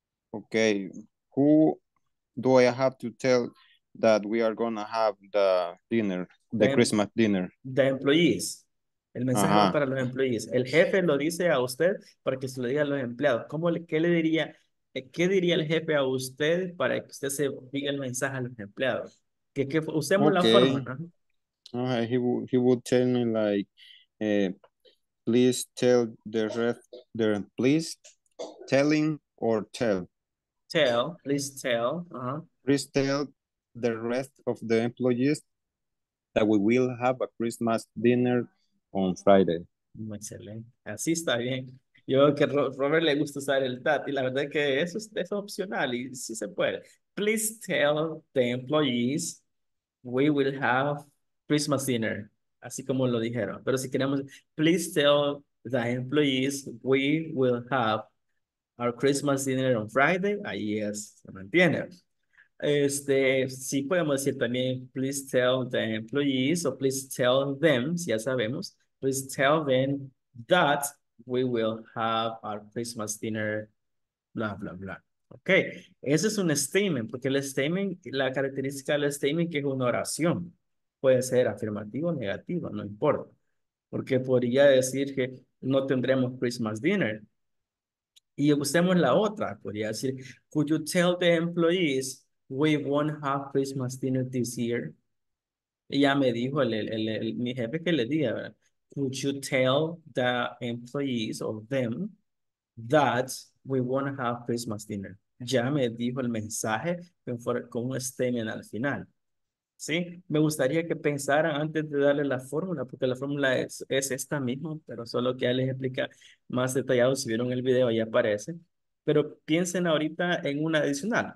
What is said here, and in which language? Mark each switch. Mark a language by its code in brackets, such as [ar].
[en] Okay, who do I have to tell that we are going to have the dinner, the Christmas dinner? The employees. [es] El mensaje va para los empleados. El jefe lo dice a usted para que se lo diga a los empleados. ¿Cómo le, qué le diría, qué diría el jefe a usted para que usted se diga el mensaje a los empleados? Que usemos la forma, ¿no? [en] He would tell me like, please tell the rest, the please telling or tell. Tell, please tell. Please tell the rest of the employees that we will have a Christmas dinner on Friday. [es] Excelente. Así está bien. Yo creo que a Robert le gusta usar el tat y la verdad es que eso es opcional y sí se puede. [en] Please tell the employees we will have Christmas dinner. [es] Así como lo dijeron. Pero si queremos, [en] please tell the employees we will have our Christmas dinner on Friday. [es] Ahí es, se mantiene. Este, sí podemos decir también, [en] please tell the employees or please tell them, [es] si ya sabemos, [en] please tell them that we will have our Christmas dinner, bla, bla, bla. [es] Ok, ese es un statement, porque el statement, la característica del statement que es una oración. Puede ser afirmativo o negativo, no importa. Porque podría decir que no tendremos Christmas dinner. Y usemos la otra, podría decir, [en] could you tell the employees we won't have Christmas dinner this year? [es] Y ya me dijo mi jefe que le diga, ¿verdad? [en] Could you tell the employees or them that we won't have Christmas dinner? [es] Ya me dijo el mensaje con un statement al final. ¿Sí? Me gustaría que pensaran antes de darle la fórmula, porque la fórmula es esta misma, pero solo que ya les explica más detallado. Si vieron el video, ahí aparece. Pero piensen ahorita en una adicional.